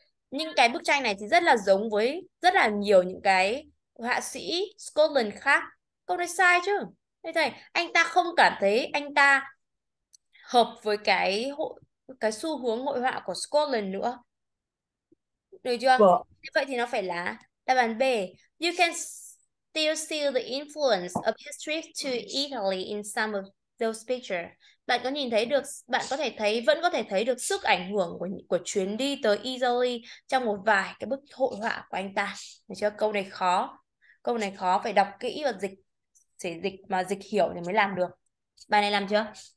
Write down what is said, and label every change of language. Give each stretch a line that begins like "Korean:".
Vietnamese: Nhưng cái bức tranh này thì rất là giống với rất là nhiều những cái họa sĩ Scotland khác. Câu này sai chứ? Thế thầy, anh ta không cảm thấy anh ta hợp với cái xu hướng hội họa của Scotland nữa. Được chưa? Vậy thì nó phải là đáp án B.
English: You can still see the influence of history to Italy in some of those pictures.
Vietnamese: Bạn có nhìn thấy được, bạn có thể thấy, vẫn có thể thấy được sức ảnh hưởng của chuyến đi tới Italy trong một vài cái bức hội họa của anh ta. Được chưa? Câu này khó. Câu này khó, phải đọc kỹ và dịch, sẽ dịch mà dịch hiểu thì mới làm được. Bài này làm chưa?